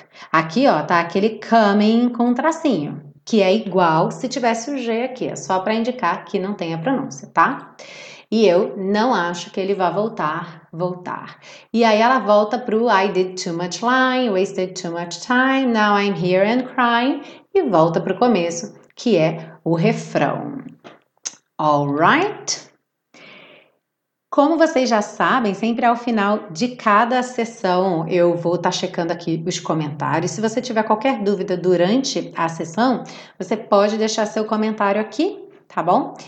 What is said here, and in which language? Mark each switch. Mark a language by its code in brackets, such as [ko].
[pt] Aqui, ó, tá aquele coming com tracinho, que é igual se tivesse o G aqui, é só para indicar que não tem a pronúncia, tá? E eu não acho que ele vá voltar. [en] E aí ela volta pro I did too much lying, wasted too much time, now I'm here and crying. [pt] E volta pro começo, que é o refrão. Alright? Como vocês já sabem, sempre ao final de cada sessão eu vou estar checando aqui os comentários. Se você tiver qualquer dúvida durante a sessão, você pode deixar seu comentário aqui. Tá bom?